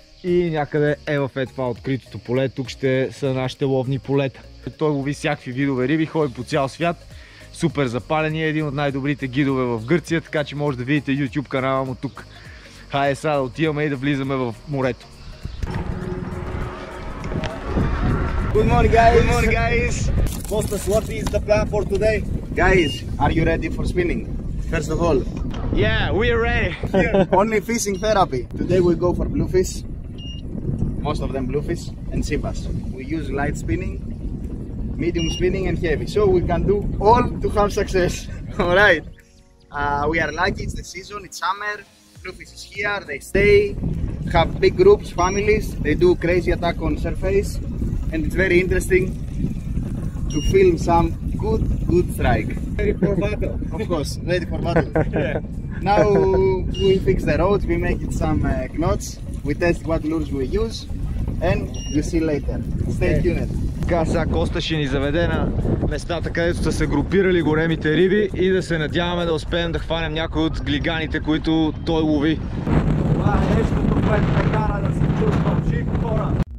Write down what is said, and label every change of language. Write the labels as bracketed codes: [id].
[bg] И някъде е в това откритото поле. Тук ще са нашите ловни полета. Той лови всякакви видове риби, ходи по цял свят. Супер запален е, един от най-добрите гидове в Гърция, така че може да видите YouTube канала му тук. Хайде сега да отиваме и да влизаме в морето. [en] Good morning, guys. Good morning, guys. Костас, what is the plan for today? Guys, are you ready for spinning? First of all. Yeah, we are ready. Here, only fishing therapy. Today we go for bluefish. Most of them bluefish and sea bass. We use light spinning, medium spinning and heavy. So we can do all to have success. All right. We are lucky, it's the season, it's summer. Bluefish is here, they stay, have big groups, families, they do crazy attack on surface and it's very interesting to film some good strike. Ready for battle. Of course, ready for battle. Yeah. Now we fix the rod, we make it some knots, we test what lures we use and you see later. Stay okay. Tuned. [bg] Сега Коста ще ни заведе на местата, където са се групирали големите риби и да се надяваме да успеем да хванем някои от глиганите, които той лови. Това е нещото, което ме кара да се чувствам жив, хора!